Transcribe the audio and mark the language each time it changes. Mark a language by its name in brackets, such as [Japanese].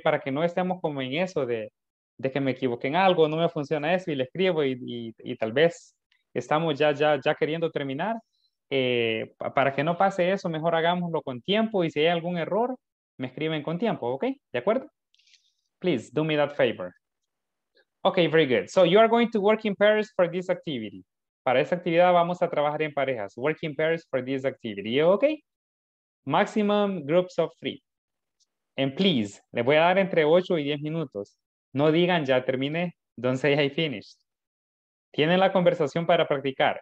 [Spanish] Para que no estemos como en eso de que me equivoqué en algo, no me funciona eso, y le escribo y tal vez estamos ya queriendo terminar. Para que no pase eso, mejor hagámoslo con tiempo, y si hay algún error, me escriben con tiempo, ¿ok? ¿De acuerdo? [English] Please, do me that favor. Ok, very good. So you are going to work in pairs for this activity. [Spanish] Para esta actividad vamos a trabajar en parejas. [English] Working pairs for this activity. ¿Ok? Maximum groups of three. And please, [Spanish] les voy a dar entre 8 y 10 minutos. No digan ya terminé. [English] Don't say I finished. [Spanish] Tienen la conversación para practicar.